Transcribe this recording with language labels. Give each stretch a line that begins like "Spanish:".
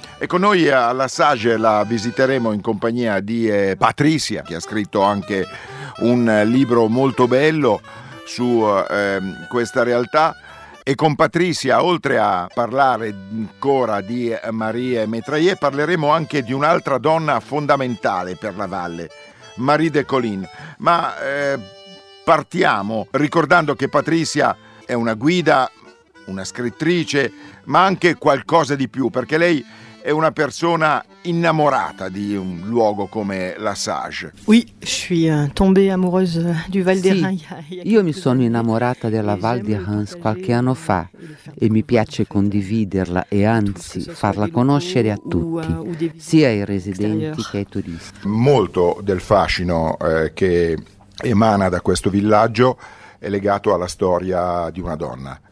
Italian: Ecco, noi alla Sage la visiteremo in compagnia di Patricia, che ha scritto anche un libro molto bello su questa realtà, e con Patricia, oltre a parlare ancora di Marie Metrayer, parleremo anche di un'altra donna fondamentale per la valle, Marie de Collines. Ma partiamo ricordando che Patricia è una guida, una scrittrice, ma anche qualcosa di più, perché lei è una persona innamorata di un luogo come La Sage.
French: Oui, je suis tombée amoureuse du Val d'Hérens.
Italian: Sì, io mi sono innamorata della Val d'Hérens qualche anno fa e mi piace condividerla e anzi farla conoscere a tutti, sia ai residenti che ai turisti. Molto del fascino che emana da questo villaggio è legato alla storia di una donna.